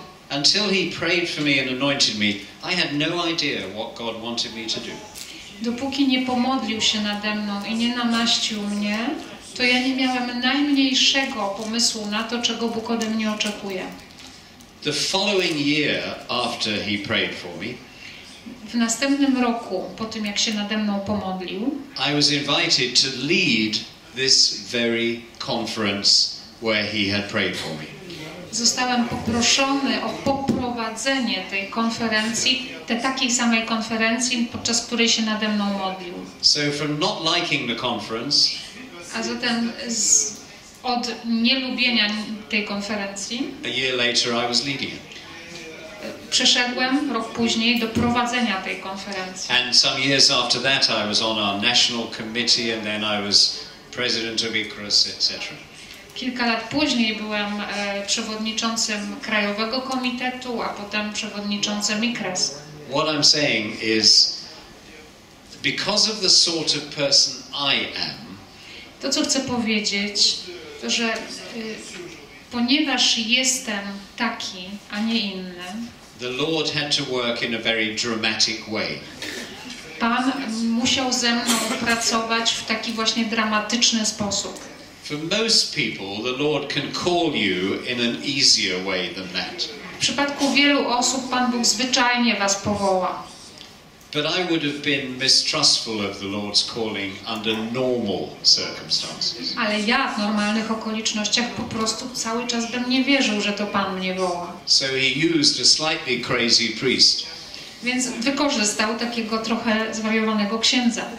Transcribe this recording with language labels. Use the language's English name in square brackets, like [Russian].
[English] Until he prayed for me and anointed me, I had no idea what God wanted me to do. [Polish] Dopóki nie pomodlił się nade mną i nie namaścił mnie, to ja nie miałem najmniejszego pomysłu na to, czego Bóg ode mnie oczekuje. [English] The following year after he prayed for me, [Polish] w następnym roku po tym jak się nade mną pomodlił, [English] I was invited to lead this very conference where he had prayed for me. [Polish] Zostałem poproszony o poprowadzenie tej konferencji, tej takiej samej konferencji, podczas której się nade mną modlił. [English] So from not liking the conference, [Polish] a zatem od nielubienia tej konferencji, [English] a year later I was leading it. [Polish] Przeszedłem rok później do prowadzenia tej konferencji. [English] And some years after that I was on our national committee and then I was president of ICRUS, etc. [Polish] Kilka lat później byłem przewodniczącym Krajowego Komitetu, a potem przewodniczącym ICRUS. [English] What I'm saying is, because of the sort of person I am, [Polish] to co chcę powiedzieć, to, że ponieważ jestem taki, a nie inny, [English] the Lord had to work in a very dramatic way. [Polish] Pan musiał ze mną pracować w taki właśnie dramatyczny sposób. [English] For most people, the Lord can call you in an easier way than that. [Polish] W przypadku wielu osób Pan Bóg zwyczajnie was powoła. [English] But I would have been mistrustful of the Lord's calling under normal circumstances. [Polish] Ale ja w normalnych okolicznościach po prostu cały czas bym nie wierzył, że to Pan mnie woła. [English] So he used a slightly crazy priest. [Polish] Więc wykorzystał takiego trochę zwariowanego księdza.